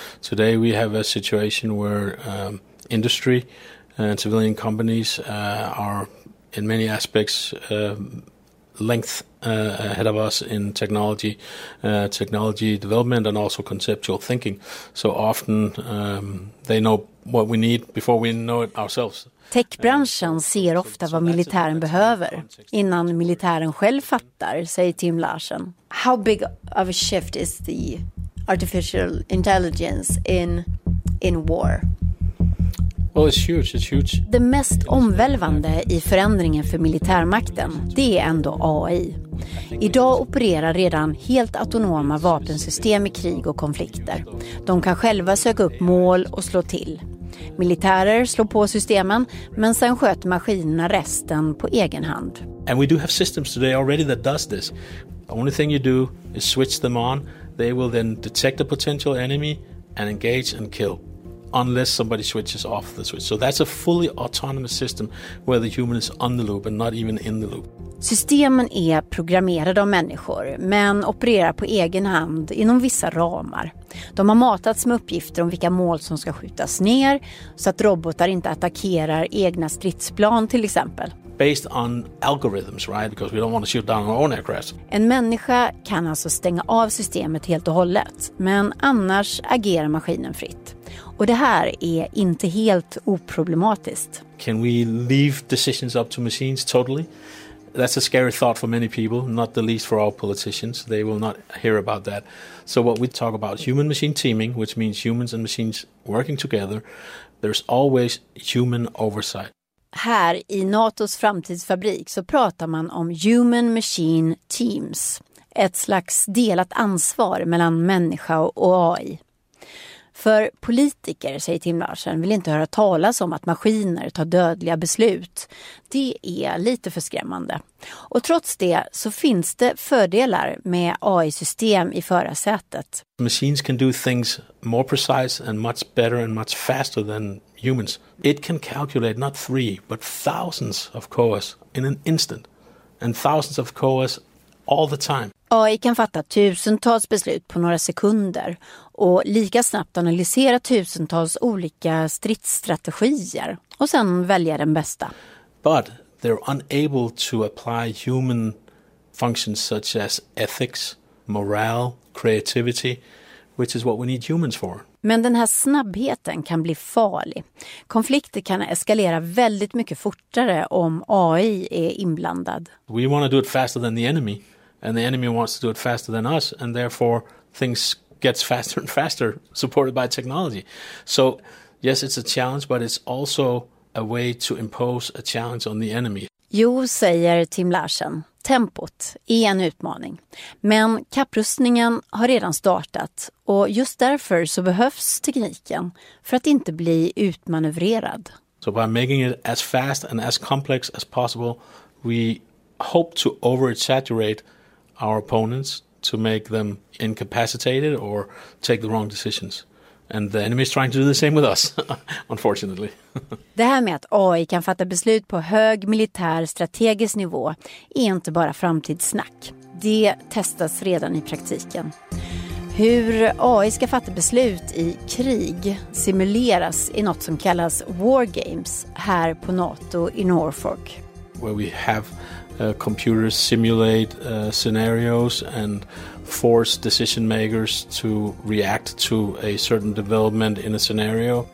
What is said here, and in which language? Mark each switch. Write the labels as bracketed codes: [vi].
[en] Today we have a situation where industry and civilian companies are in many aspects length ahead of us in technology, technology development, and also conceptual thinking. So often they know what we need before we know it ourselves. [sv] Techbranschen ser ofta vad militären behöver innan militären själv fattar, säger Tim Larsen. [en] How big of a shift is the artificial intelligence in war? Well, it's huge, it's huge. [sv] Det mest omvälvande i förändringen för militärmakten, det är ändå AI. Idag opererar redan helt autonoma vapensystem i krig och konflikter. De kan själva söka upp mål och slå till. Militärer slår på systemen, men sen sköter maskinerna resten på egen hand. [en] And we do have systems today already that does this. The only thing you do is switch them on. They will then detect a potential enemy and engage and kill. Unless somebody switches off the switch. So that's a fully autonomous system where the human is on the loop and not even in the loop. [sv] Systemen är programmerade av människor men opererar på egen hand inom vissa ramar. De har matats med uppgifter om vilka mål som ska skjutas ner så att robotar inte attackerar egna stridsplan till exempel. [en] Based on algorithms, right? Because we don't want to shoot down our own aircraft. [sv] En människa kan alltså stänga av systemet helt och hållet, men annars agerar maskinen fritt. Och det här är inte helt oproblematiskt. [en] Can we leave decisions up to machines totally? That's a scary thought for many people, not the least for our politicians. They will not hear about that. So what we talk about is human-machine teaming, which means humans and machines working together. There's always human oversight. [sv] Här i NATOs framtidsfabrik så pratar man om human-machine teams. Ett slags delat ansvar mellan människa och AI. För politiker, säger Tim Larsen, vill inte höra talas om att maskiner tar dödliga beslut. Det är lite för skrämmande. Och trots det så finns det fördelar med AI-system i förarsätet. [en] Machines can do things more precise and much better and much faster than humans. It can calculate not three, but thousands of COAs in an instant. And thousands of COAs all the time. [sv] AI kan fatta tusentals beslut på några sekunder och lika snabbt analysera tusentals olika stridsstrategier och sen välja den bästa. [en] But they're unable to apply human functions such as ethics, morale, creativity, which is what we need humans for. [sv] Men den här snabbheten kan bli farlig. Konflikter kan eskalera väldigt mycket fortare om AI är inblandad. [en] We want to do it faster than the enemy. And the enemy wants to do it faster than us, and therefore things gets faster and faster, supported by technology. So, yes, it's a challenge, but it's also a way to impose a challenge on the enemy. [sv] Jo, säger Tim Larsen. tempot är en utmaning. Men kapprustningen har redan startat och just därför så behövs tekniken för att inte bli utmanövrerad. [en] So by making it as fast and as complex as possible, we hope to oversaturate our opponents to make them incapacitated or take the wrong decisions. And the enemy is trying to do the same with us, unfortunately. [sv] Det här med att AI kan fatta beslut på hög militär strategisk nivå är inte bara framtidssnack. Det testas redan i praktiken. Hur AI ska fatta beslut i krig simuleras i något som kallas war games här på NATO i Norfolk. [en] Where we have computers simulate scenarios and force decision makers to react to a certain development in a scenario.